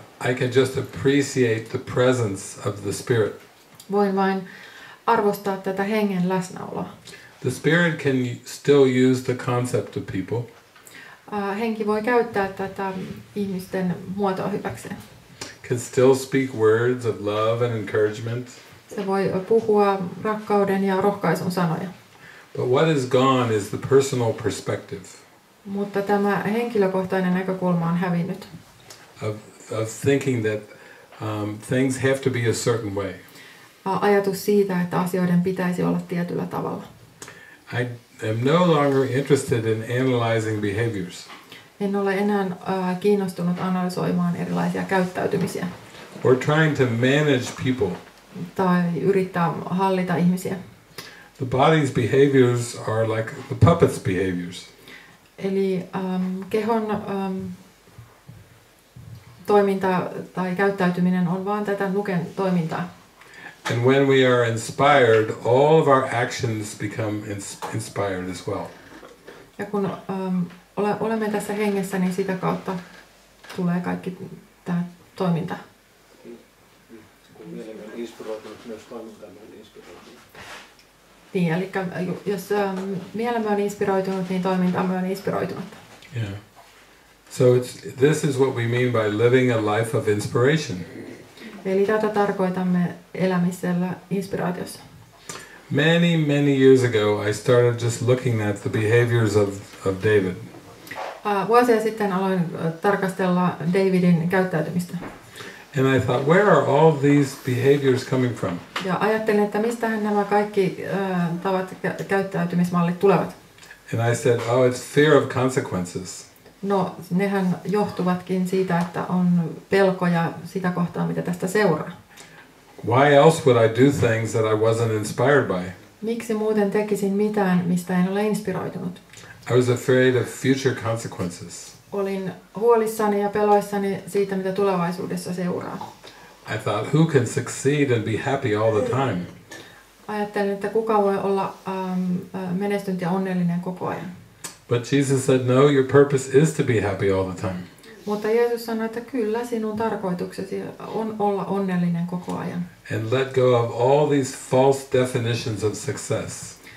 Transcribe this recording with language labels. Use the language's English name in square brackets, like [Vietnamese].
[English] I can just appreciate the presence of the spirit. [Finnish] Voin vain arvostaa tätä hengen läsnäoloa. [English] The spirit can still use the concept of people. [Finnish] Henki voi käyttää tätä ihmisten muotoa hyväkseen. [English] can still speak words of love and encouragement. [Finnish] Se voi puhua rakkauden ja rohkaisun sanoja. [English] But what is gone is the personal perspective. [Finnish] Mutta tämä henkilökohtainen näkökulma on hävinnyt. [English] Of thinking that things have to be a certain way. [Finnish] Ajatus siitä, että asioiden pitäisi olla tietyllä tavalla. [English] I am no longer interested in analyzing behaviors. [Finnish] En ole enää kiinnostunut analysoimaan erilaisia käyttäytymisiä. [English] Or trying to manage people. [Finnish] Tai yrittää hallita ihmisiä. [English] The body's behaviors are like the puppet's behaviors. [Finnish] Eli kehon toiminta tai käyttäytyminen on vaan tätä nuken toimintaa. [English] And when we are inspired, all of our actions become inspired as well. [Finnish] Ja kun olemme tässä hengessä, niin sitä kautta tulee kaikki tämä toiminta. Kun mielemme inspiroitunut, myös toimintamme on inspiroitunut. Niin, eli jos mielemme on inspiroitunut, niin toimintamme on inspiroitunut. [English] Yeah. So this is what we mean by living a life of inspiration. [Finnish] Eli tätä tarkoitamme elämisellä inspiraatiossa. [English] Many, many years ago I started just looking at the behaviors of David. [Finnish] Vuosia sitten aloin tarkastella Davidin käyttäytymistä. [English] And I thought, where are all these behaviors coming from? [Finnish] Ja ajattelin, että mistähän nämä kaikki tavat käyttäytymismallit tulevat. [English] And I said, oh, it's fear of consequences. [Finnish] No, nehän johtuvatkin siitä, että on pelkoja sitä kohtaa, mitä tästä seuraa. [English] Why else would I do things that I wasn't inspired by? [Finnish] Miksi muuten tekisin mitään, mistä en ole inspiroitunut? [English] I was afraid of future consequences. [Finnish] Olin huolissani ja peloissani siitä, mitä tulevaisuudessa seuraa. [English] I thought, who can succeed and be happy all the time? [Finnish] Ajattelin, että kuka voi olla menestynyt ja onnellinen koko ajan. [English] But Jesus said, no, your purpose is to be happy all the time. [Finnish] Mutta Jeesus sanoi, että kyllä sinun tarkoituksesi on olla onnellinen koko ajan. [English] And let go of all these false definitions of success.